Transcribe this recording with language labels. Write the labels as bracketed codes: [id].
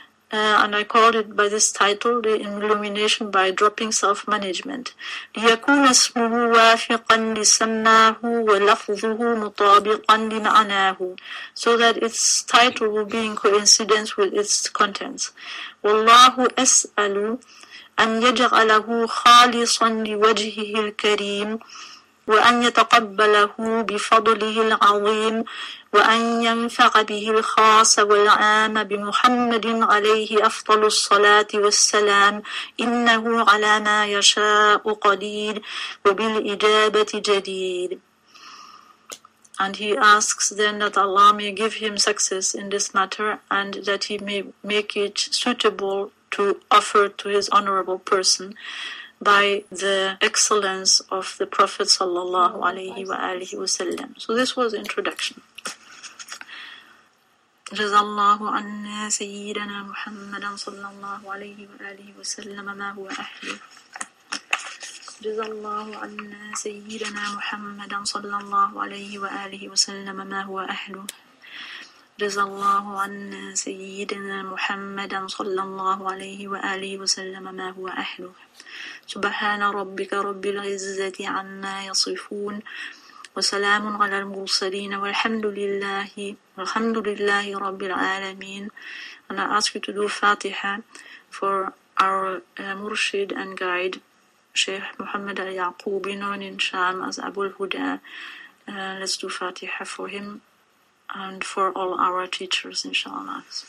[en] And I call it by this title, The Illumination by Dropping Self-Management. [ar] ليكون اسمه وافقا لسماه ولفظه مطابقا لمعناه. [en] So that its title will be in coincidence with its contents. [ar] والله أسأل أن يجعله خالصا لوجهه الكريم وأن يتقبله بفضله العظيم وأن ينفع به الخاص والعام بمحمد عليه أفضل الصلاة والسلام إنه على ما يشاء قدير وبالإجابة جدير. [en] And he asks then that Allah may give him success in this matter and that he may make it suitable to offer to his honorable person by the excellence of the Prophet [ar] sallallahu alayhi wa alihi wa sallam. [en] So this was introduction. [ar] Jazallahu anna sayyidana Muhammadan sallallahu alayhi wa alihi wa sallam ma huwa ahli. Jazallahu anna sayyidana Muhammadan sallallahu alayhi wa alihi wa sallam ma huwa ahli. جزا الله عنا سيدنا محمدا صلى الله عليه وآله وسلم ما هو أهله سبحان ربك رب العزة عما يصفون وسلام على المرسلين والحمد لله الحمد لله رب العالمين. [en] And I ask you to do Fatiha for our Murshid and guide Sheikh Muhammad Al-Yaqub bin Nun in Sham as Abu al-Huda. Let's do Fatiha for him and for all our teachers, inshallah.